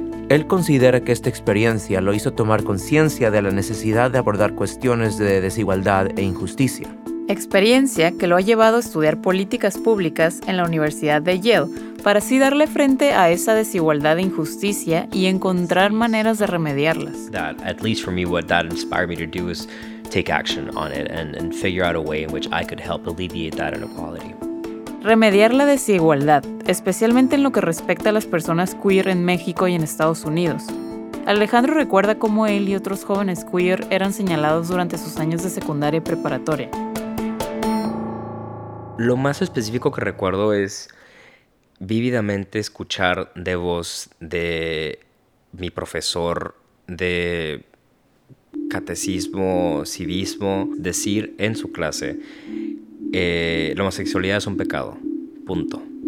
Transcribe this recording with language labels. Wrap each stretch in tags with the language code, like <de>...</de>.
<es>Él considera que esta experiencia lo hizo tomar conciencia de la necesidad de abordar cuestiones de desigualdad e injusticia. Experiencia que lo ha llevado a estudiar políticas públicas en la Universidad de Yale para así darle frente a esa desigualdad e injusticia y encontrar maneras de remediarlas.</es> <en>That, at least for me, what that inspired me to do is take action on it and figure out a way in which I could help alleviate that inequality.</en> <es>Remediar la desigualdad, especialmente en lo que respecta a las personas queer en México y en Estados Unidos. Alejandro recuerda cómo él y otros jóvenes queer eran señalados durante sus años de secundaria y preparatoria. Lo más específico que recuerdo es vívidamente escuchar de voz de mi profesor de catecismo, civismo, decir en su clase, la homosexualidad es un pecado, punto.</es>